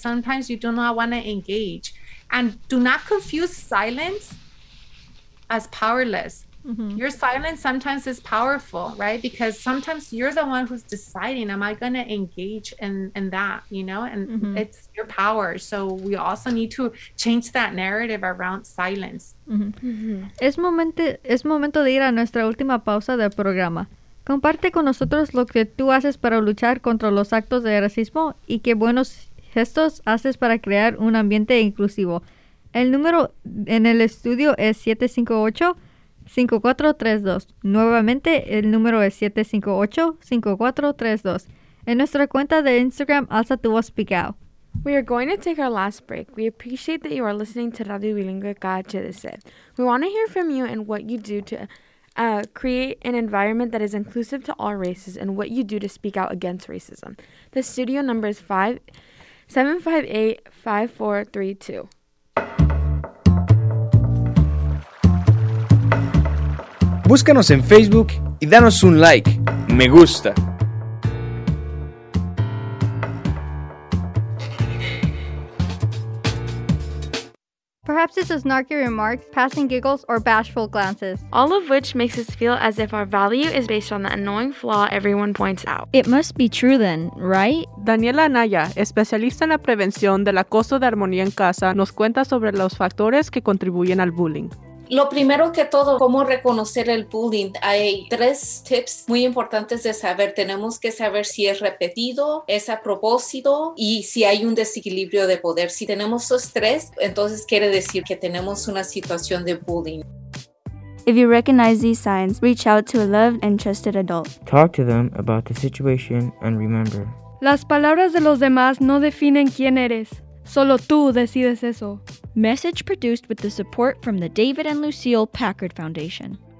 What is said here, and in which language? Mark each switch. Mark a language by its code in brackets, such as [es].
[en] Sometimes you do not want to engage. And do not confuse silence as powerless. Your silence sometimes is powerful, right? Because sometimes you're the one who's deciding, am I going to engage in that, you know? And it's your power. So we also need to change that narrative around silence. [es] Es momento de ir a nuestra última pausa del programa. Comparte con nosotros lo que tú haces para luchar contra los actos de racismo y qué buenos gestos haces para crear un ambiente inclusivo. El número en el estudio es 758-5432. Nuevamente, el número es 758-5432. En nuestra cuenta de Instagram, Alza Tu Voz Speak Out. [en] We are going to take our last break. We appreciate that you are listening to Radio Bilingüe KHDC. We want to hear from you and what you do to create an environment that is inclusive to all races and what you do to speak out against racism. The studio number is 758-5432. [es] Búscanos en Facebook y danos un like. Me gusta. [en] Perhaps it's a snarky remark, passing giggles, or bashful glances. All of which makes us feel as if our value is based on the annoying flaw everyone points out. It must be true then, right? [es] Daniela Anaya, especialista en la prevención del acoso de armonía en casa, nos cuenta sobre los factores que contribuyen al bullying. Lo primero que todo, cómo reconocer el bullying. Hay tres tips muy importantes de saber. Tenemos que saber si es repetido, es a propósito y si hay un desequilibrio de poder. Si tenemos esos tres, entonces quiere decir que tenemos una situación de bullying. [en] If you recognize these signs, reach out to a loved and trusted adult. Talk to them about the situation and remember. [es] Las palabras de los demás no definen quién eres. Solo tú decides eso. [en] Message produced with the support from the David and Lucille Packard Foundation.